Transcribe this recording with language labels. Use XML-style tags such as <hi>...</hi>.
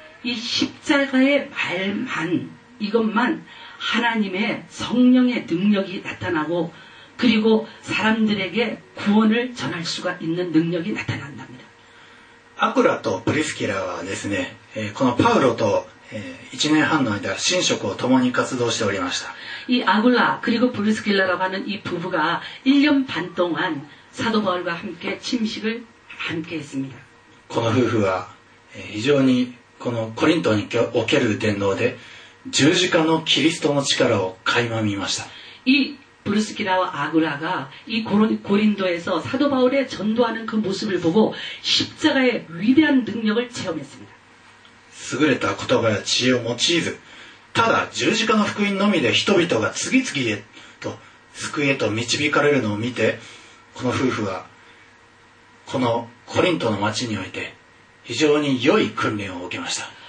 <ko>이십자가의말만이것만하나님의성령의능력이나타나고그리고사람들에게구원을전할수가있는능력이나타난답니다</ko> <ja>아쿠라와프리스키라와ですね、このパウロと、1년半の間神職を共に活動しておりました</ja> <ko>이아굴라그리고프리스키라라고하는이부부가1년반동안사도바울과함께침식을함께했습니다</ko> <ja>この夫婦は非常にこのコリントにおける伝道で十字架のキリストの力を垣間見ました</ja> <ko>이브루스키라와아굴라가이 고린도에서사도바울의전도하는그모습을보고십자가의위대한능력을체험했습니다</ko> <ja>優れた言葉や知恵を用いずただ十字架の福音のみで人々が次々へと救いへと導かれるのを見てこの夫婦はこのコリントの町において非常に良い訓練を受けました</ja>